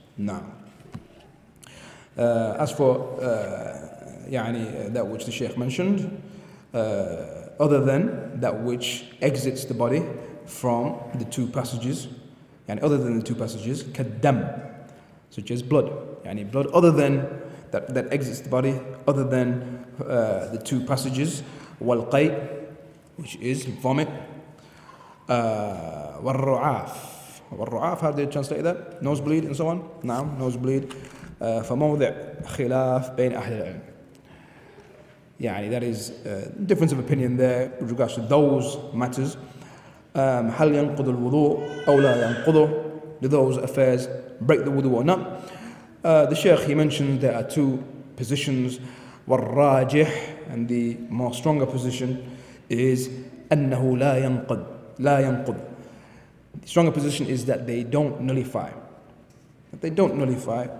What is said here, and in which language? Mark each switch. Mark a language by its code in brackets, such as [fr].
[en] Now, as for that which the Shaykh mentioned, other than that which exits the body from the two passages, kadam, such as blood, blood other than that exits the body, other than the two passages, walqay, which is vomit, warru'af, how do you translate that? Nosebleed and so on. Now, nosebleed. [ar] فموضع خلاف بين أهل العلم. [en] That is difference of opinion there with regards to those matters. [ar] هل ينقض الوضوء أو لا ينقضه? [en] Do those affairs break the wudu or not? The Shaykh, he mentioned there are two positions. [ar] والراجح, [en] and the more stronger position is [ar] أنه لا ينقض. لا ينقض. [en] The stronger position is that they don't nullify. They don't nullify.